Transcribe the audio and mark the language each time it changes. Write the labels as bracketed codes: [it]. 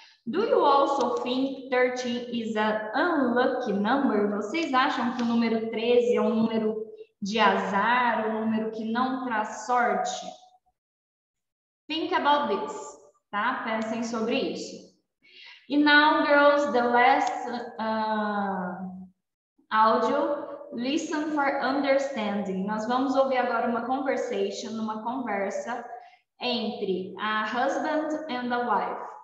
[en] Do you also think 13 is an unlucky number? [pt] Vocês acham que o número 13 é um número de azar, um número que não traz sorte? [en] Think about this, [pt] tá? Pensem sobre isso. [en] E now, girls, the last audio, listen for understanding. [pt] Nós vamos ouvir agora uma conversation, uma conversa entre [en] a husband and a wife.